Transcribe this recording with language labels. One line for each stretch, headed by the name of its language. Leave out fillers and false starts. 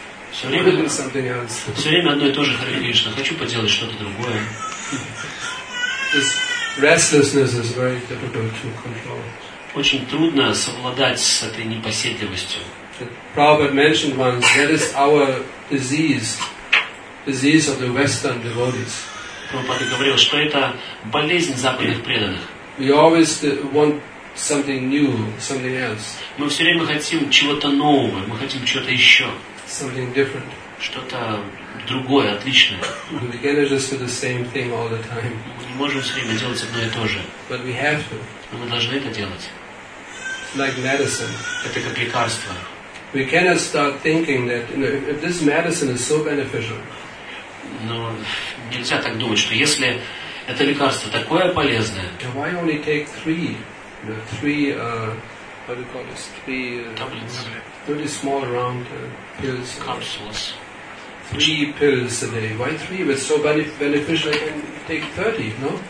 Russian: Все время одно и то же Харе Кришна. Хочу поделать что-то другое.
English: This restlessness is very difficult to control.
Russian: Очень трудно совладать с этой непоседливостью.
English: Prabhupada mentioned once that is our disease of the Western devotees.
Russian: Прабхупада говорил, что это болезнь западных преданных.
English: We always want something new, something else.
Russian: Мы все время хотим чего-то нового, мы хотим чего-то еще.
English: Something different.
Russian: Что-то другое, отличное.
English: We can't just do the same thing all the time.
Russian: Мы не можем все время делать одно и то же.
English: But we have to.
Russian: Но мы должны это делать.
English: Like medicine.
Russian: Это как лекарство.
English: We cannot start thinking that, you know, if this medicine is so beneficial.
Russian: Но нельзя так думать, что если это лекарство такое полезное.
English: Then why only take three pills. Capsules. Three pills a day. Why three? If it's so beneficial, then take 30, no?